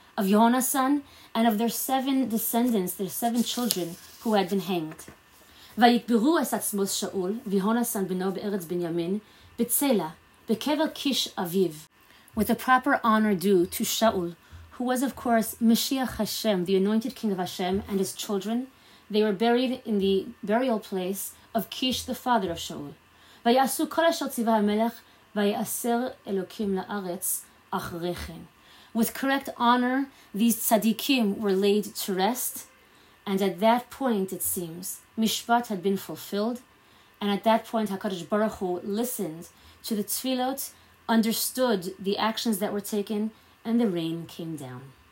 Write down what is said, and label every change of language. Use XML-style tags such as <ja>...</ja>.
<en>of Yohanan and of their seven descendants, their seven children who had been hanged.</en> <he>ויקברו את עצמות שאול ויהונתן בנו בארץ בנימין בצלע בקבר קיש אביו.</he> <en>With the proper honor due to Shaul, who was of course Mashiach Hashem, the anointed king of Hashem, and his children, they were buried in the burial place of Kish, the father of Shaul.</en> <he>ויעשו כל אשר ציווה המלך ויעשר אלוקים לארץ אחריכם.</he> <en>With correct honor, these tzaddikim were laid to rest, and at that point, it seems, Mishpat had been fulfilled, and at that point, HaKadosh Baruch Hu listened to the tefillot, understood the actions that were taken, and the rain came down.</en>